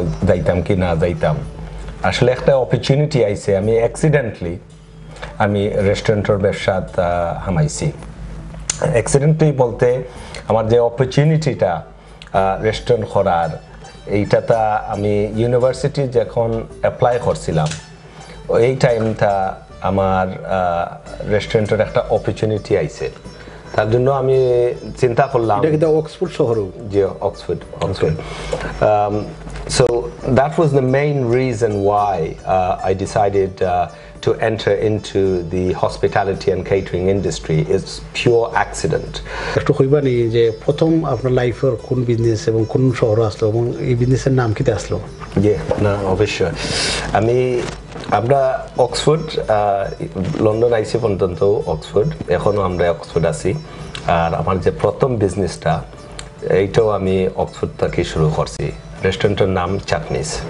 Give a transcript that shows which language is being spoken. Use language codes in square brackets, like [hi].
[bn] যাইতাম কি না যাইতাম আসলে একটা অপরচুনিটি আইছে আমি অ্যাক্সিডেন্টলি আমি রেস্টুরেন্টের ব্যবসাত হামাইছি অ্যাক্সিডেন্টলি বলতে আমার যে অপরচুনিটিটা রেস্টুরেন্ট করার এইটাটা আমি ইউনিভার্সিটি যখন অ্যাপ্লাই করছিলাম এই টাইমটা আমার রেস্টুরেন্টের একটা অপরচুনিটি আইছে তার জন্য আমি চিন্তা করলাম Oxford শহরও [en] জি Oxford Oxford So that was the main reason why I decided to enter into the hospitality and catering industry is pure accident. [bn] একটু কইবানি যে প্রথম আপনার লাইফের কোন বিজনেস এবং কোন শহর আসলো এবং এই বিজনেসের নাম কি আসলো? জি না অবশ্যই আমরা অক্সফোর্ড লন্ডন আইসি পর্যন্ত অক্সফোর্ড এখনো আমরা অক্সফোর্ড আছি আর আমার যে প্রথম বিজনেসটা এইটাও আমি অক্সফোর্ড থেকে শুরু করছি রেস্টুরেন্টের নাম চাটনিস